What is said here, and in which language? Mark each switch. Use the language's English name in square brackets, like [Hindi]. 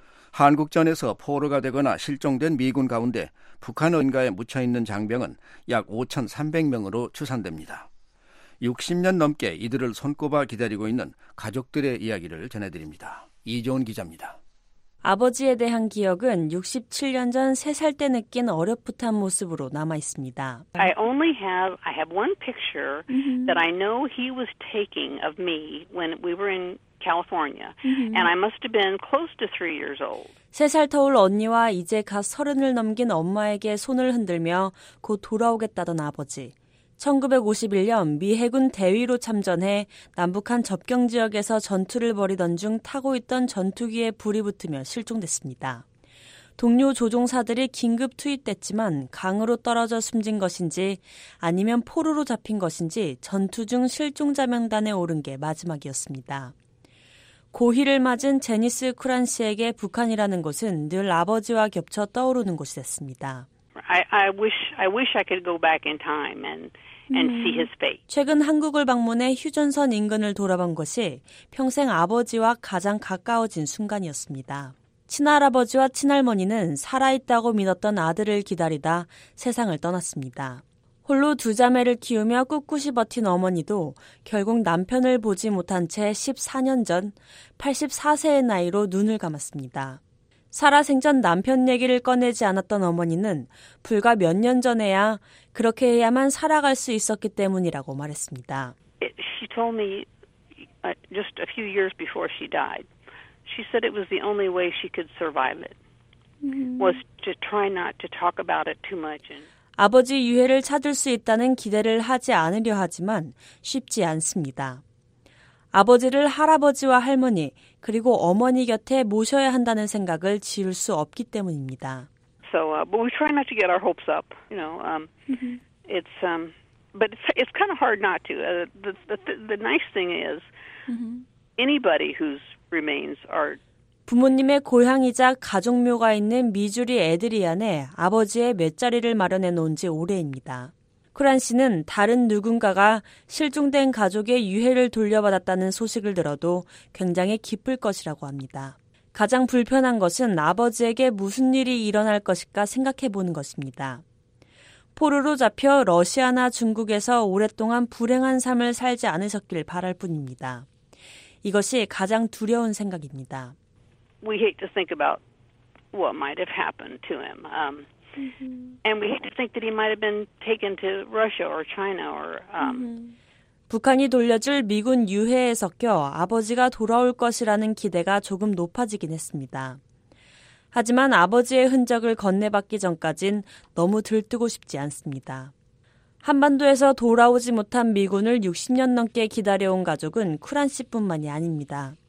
[Korean] 한국전에서 포로가 되거나 실종된 미군 가운데 북한 은가에 묻혀있는 장병은 약 5,300명으로 추산됩니다. 60년 넘게 이들을 손꼽아 기다리고 있는 가족들의 이야기를 전해드립니다. 이종훈 기자입니다. 아버지에 대한 기억은 67년 전 3살 때 느낀 어렵풋한 모습으로 남아 있습니다. [English] I have one picture that I know he was taking of me when we were in California. And I must have been close to 3 years old. [Korean] 3살 터울 언니와 이제 갓 서른을 넘긴 엄마에게 손을 흔들며 곧 돌아오겠다던 아버지. 1951년 미 해군 대위로 참전해 남북한 접경 지역에서 전투를 벌이던 중 타고 있던 전투기에 불이 붙으며 실종됐습니다. 동료 조종사들이 긴급 투입됐지만 강으로 떨어져 숨진 것인지 아니면 포로로 잡힌 것인지 전투 중 실종자 명단에 오른 게 마지막이었습니다. 고희를 맞은 제니스 쿠란 씨에게 북한이라는 곳은 늘 아버지와 겹쳐 떠오르는 곳이 됐습니다. [English] I wish I could go back in time and see his face. [Korean] 최근 한국을 방문해 휴전선 인근을 돌아본 것이 평생 아버지와 가장 가까워진 순간이었습니다. 친할아버지와 친할머니는 살아있다고 믿었던 아들을 기다리다 세상을 떠났습니다. 홀로 두 자매를 키우며 꿋꿋이 버틴 어머니도 결국 남편을 보지 못한 채 14년 전 84세의 나이로 눈을 감았습니다. 살아 생전 남편 얘기를 꺼내지 않았던 어머니는 불과 몇 년 전에야 그렇게 해야만 살아갈 수 있었기 때문이라고 말했습니다. [English] She told me just a few years before she died. She said it was the only way she could survive it. Was to try not to talk about it too much. [Korean] 아버지 유해를 찾을 수 있다는 기대를 하지 않으려 하지만 쉽지 않습니다. 아버지를 할아버지와 할머니 그리고 어머니 곁에 모셔야 한다는 생각을 지울 수 없기 때문입니다. [English] So, but we try not to get our hopes up. You know, it's but it's kind of hard not to. The nice thing is anybody whose remains are [Korean] 부모님의 고향이자 가족묘가 있는 미주리 애드리안에 아버지의 몇자리를 마련해 놓은 지 오래입니다. 쿠란 씨는 다른 누군가가 실종된 가족의 유해를 돌려받았다는 소식을 들어도 굉장히 기쁠 것이라고 합니다. 가장 불편한 것은 아버지에게 무슨 일이 일어날 것일까 생각해 보는 것입니다. 포로로 잡혀 러시아나 중국에서 오랫동안 불행한 삶을 살지 않으셨길 바랄 뿐입니다. 이것이 가장 두려운 생각입니다. [English] We hate to think about what might have happened to him. And we hate to think that he might have been taken to Russia or China or [Korean] 북한이 돌려줄 미군 유해에 섞여 아버지가 돌아올 것이라는 기대가 조금 높아지긴 했습니다. 하지만 아버지의 흔적을 건네받기 전까진 너무 들뜨고 싶지 않습니다. 한반도에서 돌아오지 못한 미군을 60년 넘게 기다려온 가족은 쿠란 씨뿐만이 아닙니다.